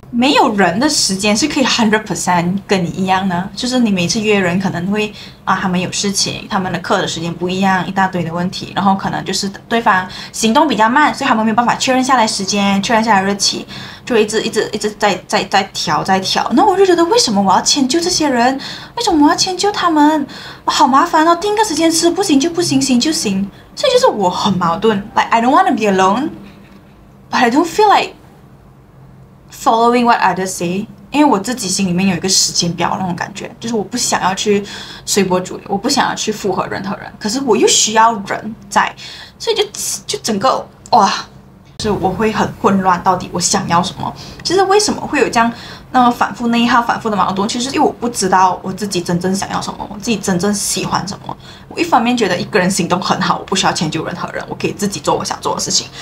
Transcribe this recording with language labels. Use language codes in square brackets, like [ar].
[zh] 没有人的时间是可以 100% 跟你一样呢，就是你每次约人可能会啊，他们有事情，他们的课的时间不一样，一大堆的问题，然后可能就是对方行动比较慢，所以他们没有办法确认下来时间，确认下来日期，就一直在调在调。那我就觉得，为什么我要迁就这些人？为什么我要迁就他们？好麻烦哦，定个时间吃不行就不行，行就行。所以就是我很矛盾 [en] ，like I don't want to be alone， but I don't feel like following what others say。 [zh] 因为我自己心里面有一个时间表那种感觉，就是我不想要去随波逐流，我不想要去附和任何人，可是我又需要人在，所以就整个哇，就是我会很混乱，到底我想要什么？其实为什么会有这样那么反复内耗、反复的矛盾？其实因为我不知道我自己真正想要什么，我自己真正喜欢什么。我一方面觉得一个人行动很好，我不需要迁就任何人，我可以自己做我想做的事情。